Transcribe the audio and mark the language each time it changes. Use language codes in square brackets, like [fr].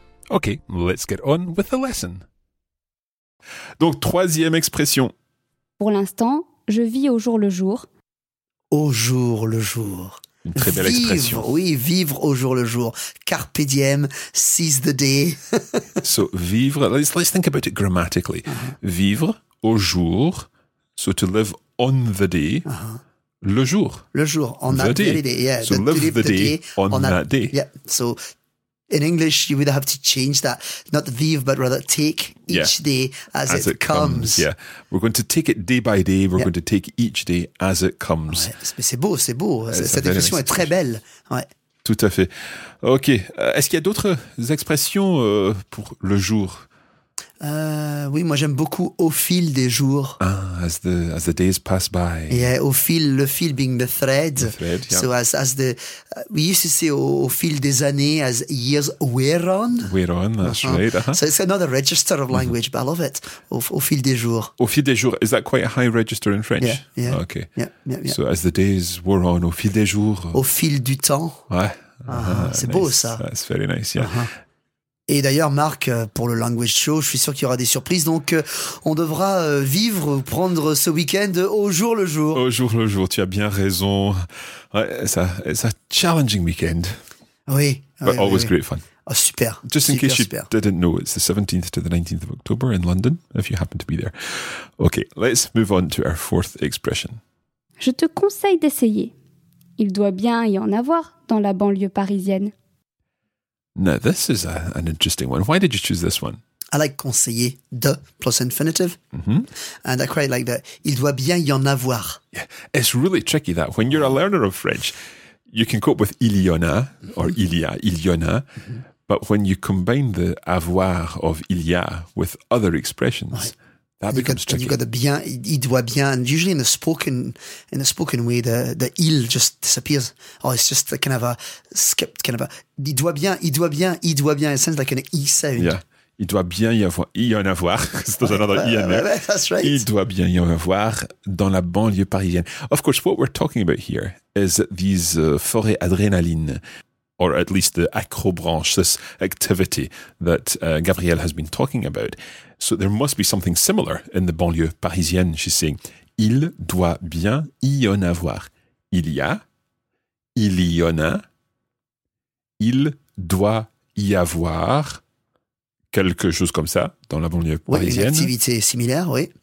[en] Okay, let's get on with the lesson. [fr] Donc, troisième expression. Pour l'instant, je vis au jour le jour. Au jour le jour. Une très belle expression. Vivre, oui, vivre au jour le jour. [en] Carpe diem, seize the day. So, vivre, let's think about it grammatically. Uh-huh. [fr] Vivre au jour, [en] so to live on the day. Uh-huh. Le jour. [fr] Le jour, on [en] the that day. Day. Yeah, so, live the day on that day. Yeah, so in English, you would have to change that. Not vive, but rather take each day as it comes. Yeah. We're going to take it day by day. We're going to take each day as it comes. [fr] Ouais. C'est beau, c'est beau. Cette expression est très belle. Ouais. Tout à fait. OK. Est-ce qu'il y a d'autres expressions pour le jour? Oui, moi j'aime beaucoup au fil des jours. [en] Ah, as the days pass by. Yeah, au fil, le fil being the thread. The thread, yeah. So we used to say [fr] au fil des années, [en] as years wear on. Wear on, that's right. So it's another register of language, but I love it. [fr] Au fil des jours. Au fil des jours, [en] is that quite a high register in French? Yeah, yeah. Oh, okay. Yeah. So as the days wore on, [fr] au fil des jours. Au fil du temps. Ouais. C'est nice. Beau ça. [en] That's very nice, yeah. Uh-huh. [fr] Et d'ailleurs, Marc, pour le Language Show, je suis sûr qu'il y aura des surprises. Donc, on devra vivre, prendre ce week-end au jour le jour. Au jour le jour, tu as bien raison. [en] Ouais, it's a challenging weekend. [fr] Oui. [en] But oui, always oui. Great fun. Oh, super. Just super, in case you super. Didn't know, it's the 17th to the 19th of October in London, if you happen to be there. Okay, let's move on to our fourth expression. [fr] Je te conseille d'essayer. Il doit bien y en avoir dans la banlieue parisienne. [en] Now, this is an interesting one. Why did you choose this one? I like conseiller de plus infinitive. Mm-hmm. And I quite like that. [fr] Il doit bien y en avoir. [en] Yeah. It's really tricky that when you're a learner of French, you can cope with [fr] il y en a [en] or [fr] il y a, il y en a. [en] Mm-hmm. But when you combine the avoir of [fr] il y a [en] with other expressions, right. That and becomes tricky. You've got the bien, [fr] il doit bien. [en] And usually in the spoken way, the il just disappears. Oh, it's just kind of a skipped kind of a... [fr] Il doit bien, il doit bien, il doit bien. [en] It sounds like an I sound. Yeah. [fr] Il doit bien y avoir, y en avoir. [en] There's another I in there. That's right. [fr] Il doit bien y en avoir dans la banlieue parisienne. [en] Of course, what we're talking about here is these forêts adrénaline, or at least the acrobranche, this activity that Gabrielle has been talking about. So there must be something similar in the [fr] banlieue parisienne. [en] She's saying, [fr] il doit bien y en avoir. Il y a, il y en a. Il doit y avoir quelque chose comme ça dans la banlieue parisienne. Oui, une activité similaire, oui.